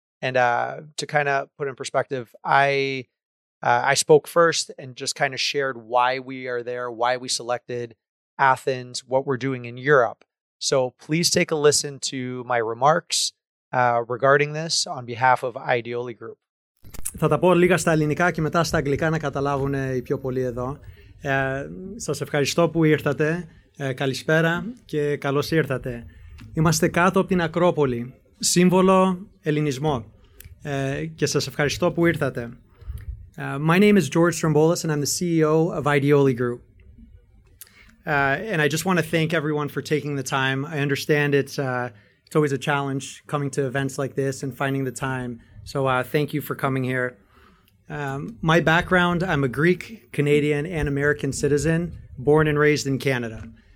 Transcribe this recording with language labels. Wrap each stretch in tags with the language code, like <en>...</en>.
<en>And to kind of put in perspective, I spoke first and just kind of shared why we are there, why we selected Athens, what we're doing in Europe. So please take a listen to my remarks regarding this on behalf of Ideoli Group.</en> <el>Θα τα πω λίγα στα ελληνικά και μετά στα αγγλικά να καταλάβουν οι πιο πολλοί εδώ. Σας ευχαριστώ που ήρθατε. Καλησπέρα και καλώς ήρθατε. Είμαστε κάτω από την Ακρόπολη, σύμβολο ελληνισμό. Και σας ευχαριστώ που ήρθατε.</el> <en>My name is George Stroumboulis and I'm the CEO of Ideoli Group. And I just want to thank everyone for taking the time. I understand it's always a challenge coming to events like this and finding the time. So thank you for coming here. My background, I'm a Greek, Canadian, and American citizen, born and raised in Canada.</en>